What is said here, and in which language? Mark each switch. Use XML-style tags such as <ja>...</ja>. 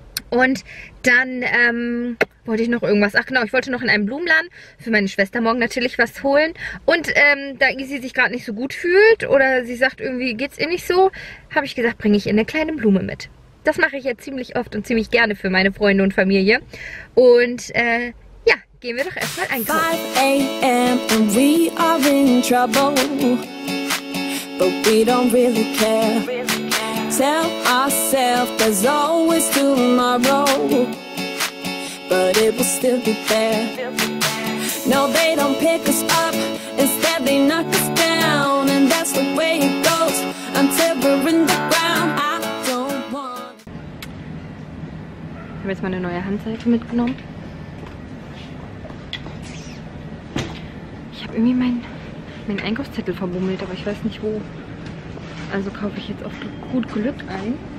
<de>Und dann wollte ich noch irgendwas, ach genau, ich wollte noch in einem Blumenladen für meine Schwester morgen natürlich was holen. Und da Easy sich gerade nicht so gut fühlt oder sie sagt, irgendwie geht's ihr nicht so, habe ich gesagt, bringe ich ihr eine kleine Blume mit. Das mache ich ja ziemlich oft und ziemlich gerne für meine Freunde und Familie. Und ja, gehen wir doch erstmal einkaufen.</de> <en>5 a.m. and we are in trouble, but we don't really care. Tell ourselves there's always tomorrow, but it will still be there. No, they don't pick us up, instead they knock us down, and that's the way it goes until we're in the ground. I don't want.</en> <de>Ich habe jetzt meine neue Handseife mitgenommen. Ich habe irgendwie meinen Einkaufszettel verbummelt, aber ich weiß nicht wo. Also kaufe ich jetzt auf gut Glück ein.</de>